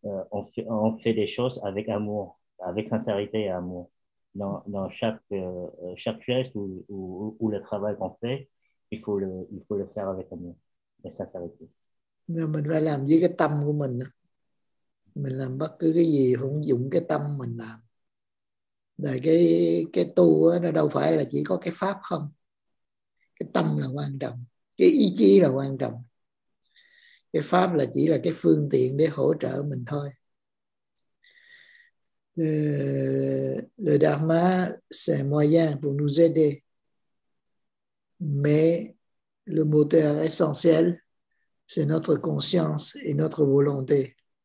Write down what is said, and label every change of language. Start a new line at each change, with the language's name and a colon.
French: On fait des choses avec amour, avec sincérité et amour. Dans chaque geste ou le travail qu'on fait, il faut le faire avec amour et sincérité.
Vietnamese: Mình phải làm với cái tâm của mình. Mình làm bất cứ cái gì cũng dùng cái tâm mình làm. Đại cái tu nó đâu phải là chỉ có cái pháp không. Cái tâm là quan trọng, cái ý chí là quan trọng. Cái pháp là chỉ là cái phương tiện để hỗ trợ mình thôi.
French: Le dharma c'est un moyen pour nous aider. Mais le moteur essentiel c'est notre conscience et notre volonté.